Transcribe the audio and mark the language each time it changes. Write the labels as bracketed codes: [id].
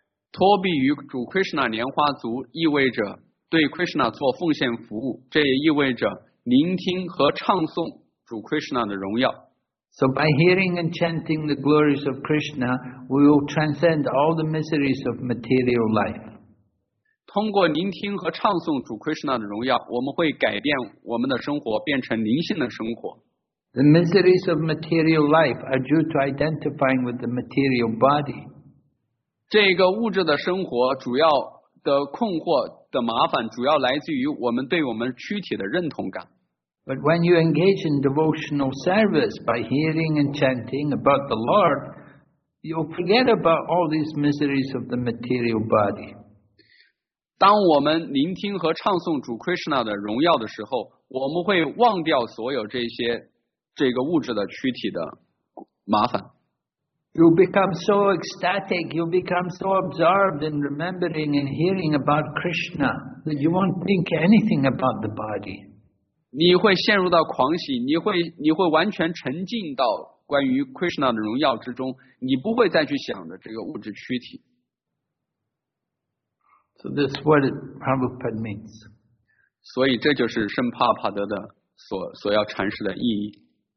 [zh] 托庇于主 Krishna 莲花足意味着对 Krishna 做奉献服务，这也意味着聆听和唱诵主 Krishna 的荣耀。 [en] So by hearing and chanting the glories of Krishna, we will transcend all the miseries of material life. [zh] 通过聆听和唱诵主 Krishna 的荣耀，我们会改变我们的生活，变成灵性的生活。 [en] The miseries of material life are due to identifying with the material body. [zh] 这个物质的生活主要的困惑的麻烦主要来自于我们对我们躯体的认同感。 [en] But when you engage in devotional service by hearing and chanting about the Lord, you'll forget about all these miseries of the material body. [zh] 当我们聆听和唱诵主 Krishna 的荣耀的时候，我们会忘掉所有这些这个物质的躯体的麻烦。 [en] You become so ecstatic, you become so absorbed in remembering and hearing about Krishna that you won't think anything about the body. [zh] 你会陷入到狂喜，你会完全沉浸到关于 Krishna 的荣耀之中，你不会再去想着这个物质躯体。 [en] So this is what Prabhupada means. [zh] 所以这就是圣帕帕德的所要阐释的意义。